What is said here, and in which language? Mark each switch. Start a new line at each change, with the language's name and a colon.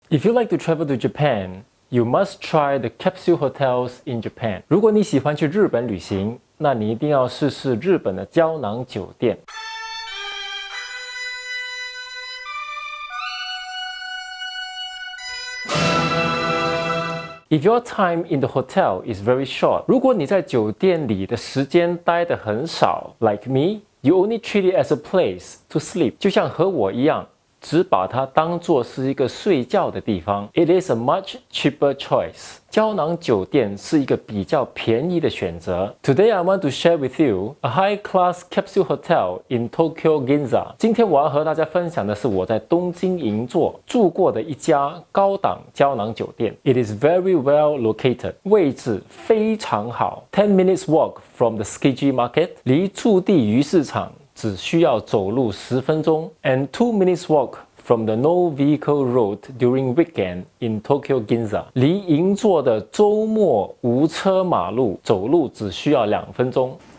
English: If you like to travel to Japan, you must try the capsule hotels in Japan.
Chinese: 如果你喜欢去日本旅行，那你一定要试试日本的胶囊酒店。
English: If your time in the hotel is very short,
Chinese: 如果你在酒店里的时间待得很少
English: ，like me, you only treat it as a place to sleep.
Chinese: 就像和我一样。只把它当作是一个睡觉的地方。
English: It is a much cheaper choice.
Chinese: 胶囊酒店是一个比较便宜的选择。
English: Today I want to share with you a high-class capsule hotel in Tokyo Ginza.
Chinese: 今天我要和大家分享的是我在东京银座住过的一家高档胶囊酒店。
English: It is very well located.
Chinese: 位置非常好。
English: 10 minutes walk from the Tsukiji Market.
Chinese: 离驻地鱼市场只需要走路10分钟
English: and 2 minutes walk from the no vehicle road during weekend in Tokyo Ginza.
Chinese: 离银座的周末无车马路走路只需要2分钟。